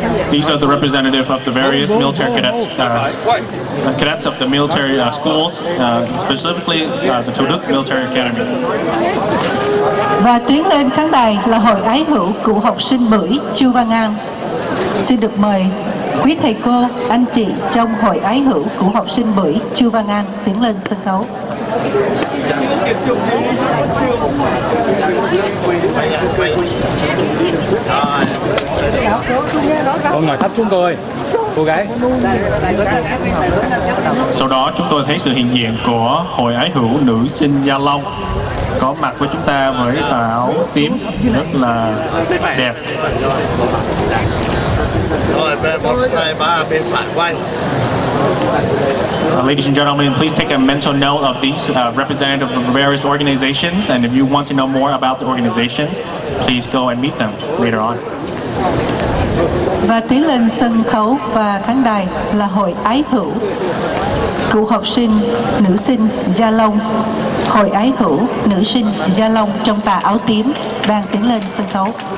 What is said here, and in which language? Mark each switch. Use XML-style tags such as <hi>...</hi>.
<en>These are the representative of the various military cadets, cadets of the military schools, specifically the Thủ Đức Military Academy.</en> <vi>Và tiến lên khán đài là Hội Ái Hữu cựu học sinh Bưởi Chu Văn An. Xin được mời quý thầy cô, anh chị trong Hội Ái Hữu cựu học sinh Bưởi Chu Văn An tiến lên sân khấu. Con ngồi thấp xuống coi, cô gái. Sau đó chúng tôi thấy sự hiện diện của Hội Ái Hữu nữ sinh Gia Long có mặt với chúng ta với tà áo tím rất là đẹp. Rồi, bên 1, 2, 3, bên phải quay.</vi> <en>Ladies and gentlemen, please take a mental note of these representatives of various organizations, and if you want to know more about the organizations, please go and meet them later on.</en> <vi>và tiến lên sân khấu và khán đài là hội ái hữu. Cựu học sinh nữ sinh Gia Long, hội ái hữu nữ sinh Gia Long trong tà áo tím đang tiến lên sân khấu.</vi>